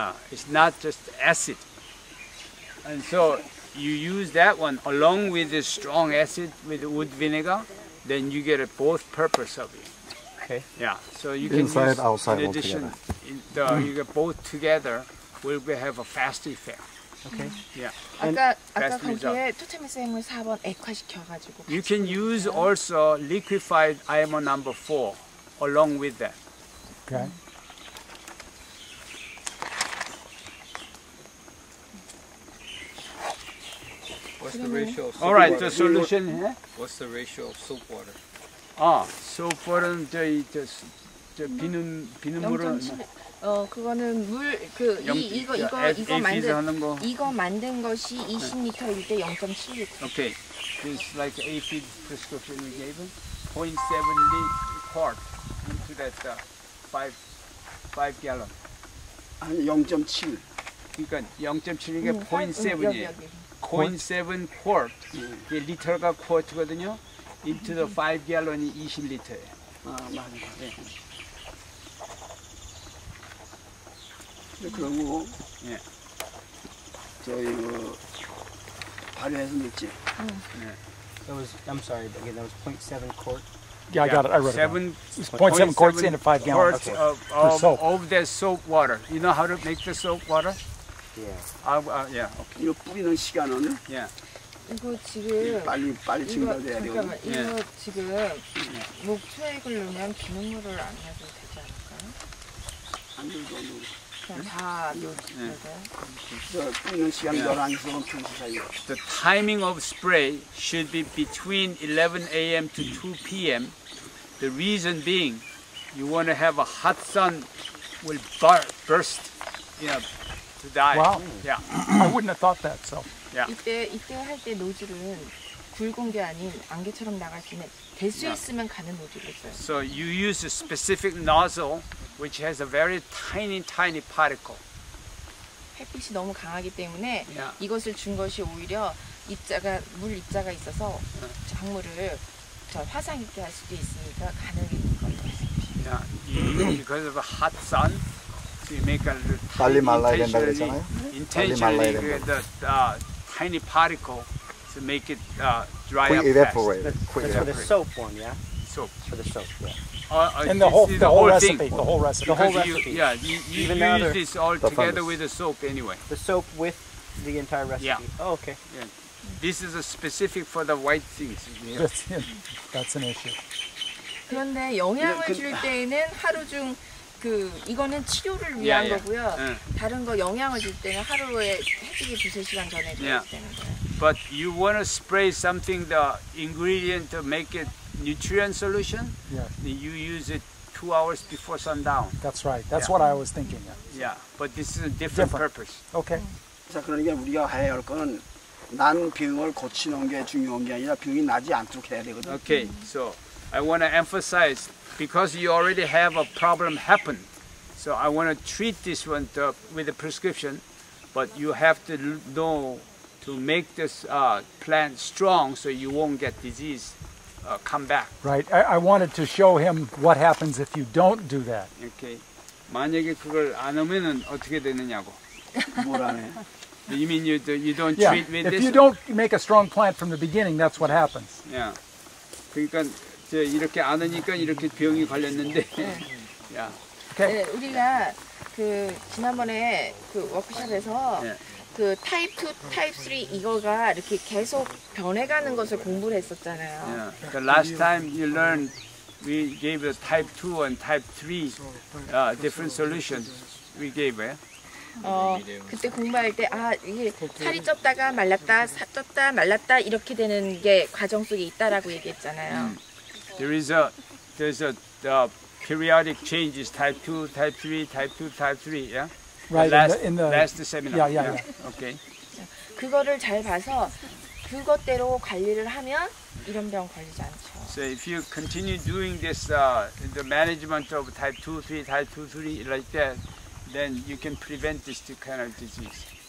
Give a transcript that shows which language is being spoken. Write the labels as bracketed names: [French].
[English] It's not just acid. And so you use that one along with the strong acid with the wood vinegar, then you get a both purpose of it. Okay. Yeah. So you can inside use outside in addition, you get both together will have a fast effect. Okay. Okay. Yeah. And [Korean] 아까 거기에 토테미 쌤을 4번 액화시켜 가지고. [English] You can use also liquefied IMO number 4 along with that. Okay. What's the ratio of soap water? Alright, the solution. What's the ratio of soap water? [Korean] Ah, soap water는 저희 저 비누 비누물은 어 그거는 물 그 이거 만든 거 이거 만든 것이 20리터일 때 0.7리터. [English] Okay, this is like a feed prescription we gave him. 0.7 liter part into that 5 gallon. [Korean] 아니 0.7. 그러니까 0.7인 게 0.7이에요. 0.7 quart, 이게 리터가 quart거든요. [English] Into the [Korean] 5 gallon이 20리터예요. 아, 맞아요. 네. 그리고 예. 저희 그 발효해서 넣지. 네. [English] That was, I'm sorry, but again, that was 0.7 quart. Yeah, yeah, I got it. I read seven, it. Wrong. It's 0.7 quarts into 5 gallons. Quarts of soap. Of the soap water. You know how to make the soap water? Yeah. Yeah. Okay. [Korean] 이거 뿌리는 시간은? [English] Yeah. [Korean] 이거 지금 빨리 증발돼야 되고. 이거 지금 목초액을 넣으면 비눗물을 안 해도 되지 않을까요? 안 넣어도 안 넣어도. 그냥 다 넣어도. 뿌리는 시간 11시간 평소 사이에. [English] The timing of spray should be between 11 a.m. to 2 p.m. The reason being, you want to have a hot sun will burst. Yeah. Wow. Yeah. I wouldn't have thought that. So. Yeah. [Korean] 이때 할 때 노즐은 굵은 게 아닌 안개처럼 나갈 수 있는 될 수 있으면 가는 노즐을 써요. [English] So you use a specific nozzle which has a very tiny particle. [Korean] 햇빛이 너무 강하기 때문에 [English] yeah. [Korean] 이것을 준 것이 오히려 입자가 물 입자가 있어서 작물을 저 화상 있게 할 수도 있으니까 가능한 거예요. [English] Yeah. Because of a hot sun. So you make a little intentionally the tiny particle to make it dry quick up evaporate. Fast. That's for the soap one, yeah? Soap. For the soap, yeah. And the whole recipe. You use this all together with the soap anyway. The soap with the entire recipe. Yeah. Oh, okay. Yeah. This is a specific for the white things. That's an issue. [Korean] 그런데 영양을 줄 때에는 하루 중 그 이거는 치료를 위한 [English] yeah, yeah. [Korean] 거고요. [English] Yeah. [Korean] 다른 거 영양을 줄 때는 하루에 햇빛이 두세 시간 전에 줘야 [English] yeah. [Korean] 되는데. [English] But you want to spray something the ingredient to make it nutrient solution? Yeah. You use it 2 hours before sundown. That's right. That's yeah. what I was thinking. Yeah. yeah. But this is a different purpose. Okay. [Korean] 자 그러니까 우리가 해야 할 거는 난 병을 고치는 게 중요한 게 아니라 병이 나지 않도록 해야 되거든. [English] Okay. So I want to emphasize. Because you already have a problem happen, so I want to treat this one with a prescription, but you have to know to make this plant strong so you won't get disease come back. Right. I wanted to show him what happens if you don't do that. Okay. [Korean] 만약에 그걸 안 하면은 어떻게 되느냐고. 뭐라네. [English] You mean you don't yeah. treat with if this? If you don't make a strong plant from the beginning, that's what happens. Yeah. [Korean] 그러니까 이렇게 안 하니까 이렇게 병이 걸렸는데. 야. [English] Okay. [Korean] 네, 우리가 그 지난번에 그 워크숍에서 [English] yeah. [Korean] 그 타입 2, 타입 3 이거가 이렇게 계속 변해가는 것을 공부를 했었잖아요. [English] Yeah. The last time you learned, we gave the type 2 and type 3 different solutions we gave. Yeah? [Korean] 그때 공부할 때 아 이게 살이 쪘다가 말랐다, 쪘다 말랐다 이렇게 되는 게 과정 속에 있다라고 얘기했잖아요. [English] There's a periodic changes, type 2, type 3, type 2, type 3, yeah? Right, the last, in the seminar. Yeah, yeah, yeah. Okay. [Korean] 그거를 잘 봐서 그것대로 관리를 하면 이런 병 걸리지 않죠. [English] So if you continue doing this, the management of type 2, 3, type 2, 3, like that, then you can prevent this kind of disease.